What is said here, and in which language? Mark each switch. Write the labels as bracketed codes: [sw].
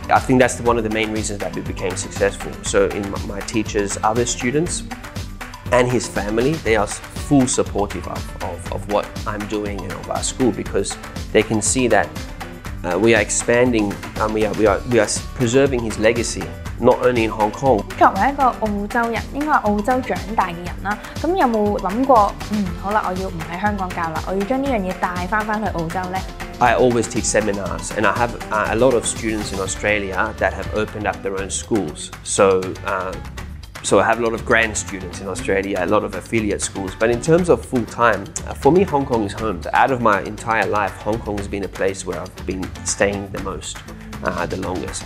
[en] I think that's one of the main reasons that we became successful. So in my teacher's other students and his family, they are full supportive of what I'm doing and of our school because they can see that we are expanding and we are preserving his legacy. Not only in Hong Kong. [yue] 作為一個澳洲人，應該係澳洲長大嘅人啦。咁有冇諗過？好啦，我要唔喺香港教啦，我要將呢樣嘢帶翻去澳洲咧。 [en] I always teach seminars, and I have a lot of students in Australia that have opened up their own schools. So I have a lot of grand students in Australia, a lot of affiliate schools. But in terms of full time, for me, Hong Kong is home. Out of my entire life, Hong Kong has been a place where I've been staying the most. The longest.